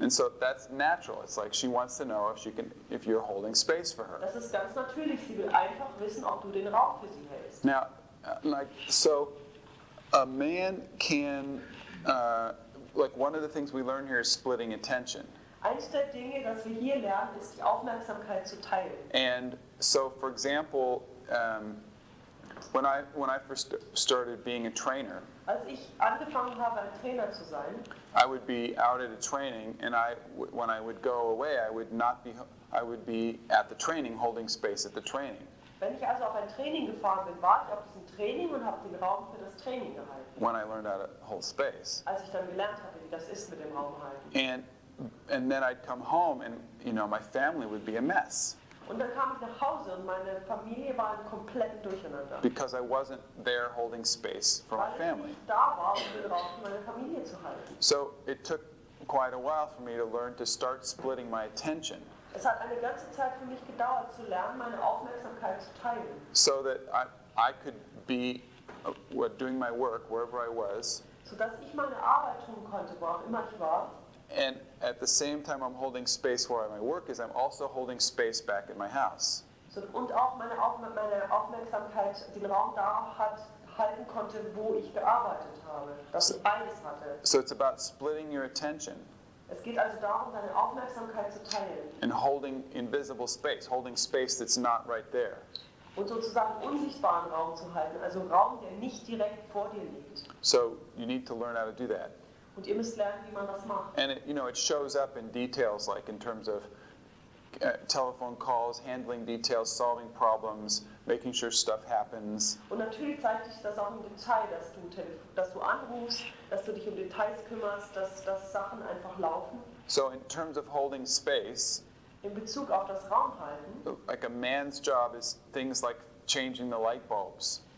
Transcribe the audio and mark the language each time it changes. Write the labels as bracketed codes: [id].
[en] And so that's natural. It's like she wants to know if she can, if you're holding space for her. [de] Das ist ganz natürlich. Sie will einfach wissen, ob du den Raum für sie hältst. [en] Now, like, so a man can, like one of the things we learn here is splitting attention. [de] Eines der Dinge, das wir hier lernen, ist die Aufmerksamkeit zu teilen. [en] And so, for example, when I first started being a trainer, [de] als ich angefangen habe, ein Trainer zu sein, [en] I would be out at a training, and I, when I would go away, I would not be, I would be at the training, holding space at the training. [de] Wenn ich also auf ein Training gefahren bin, war ich auf diesem Training und habe den Raum für das Training gehalten. [en] When I learned how to hold space. [de] Als ich dann gelernt habe, wie das ist, mit dem Raum halten. [en] And then I'd come home, and you know, my family would be a mess. [de] Und dann kam ich nach Hause und meine Familie war komplett durcheinander. [en] Because I wasn't there holding space for [de] weil [en] my family. [de] Ich nicht da war, um den Raum für meine Familie zu halten. [en] So it took quite a while for me to learn to start splitting my attention. [de] Es hat eine ganze Zeit für mich gedauert, zu lernen, meine Aufmerksamkeit zu teilen. [en] So that I could be doing my work wherever I was. [de] So dass ich meine Arbeit tun konnte, wo auch immer ich war. [en] And at the same time I'm holding space where my work is, I'm also holding space back in my house. [de] So, und auch meine Aufmerksamkeit den Raum da hat, halten konnte, wo ich gearbeitet habe. Dass so, ich beides hatte. [en] So it's about splitting your attention. [de] Es geht also darum, deine Aufmerksamkeit zu teilen. [en] And holding invisible space, holding space that's not right there. [de] Und sozusagen unsichtbaren Raum zu halten, also Raum, der nicht direkt vor dir liegt. [en] So you need to learn how to do that. [de] Und ihr müsst lernen, wie man das macht. [en] And it, you know, it shows up in details, like in terms of telephone calls, handling details, solving problems, making sure stuff happens. [de] Und natürlich zeigt sich das auch im Detail, dass du anrufst, dass du dich um Details kümmerst, dass Sachen einfach laufen. [en] So in terms of holding space, [de] in Bezug auf das Raumhalten, [en] like a man's job is things like changing the light bulbs.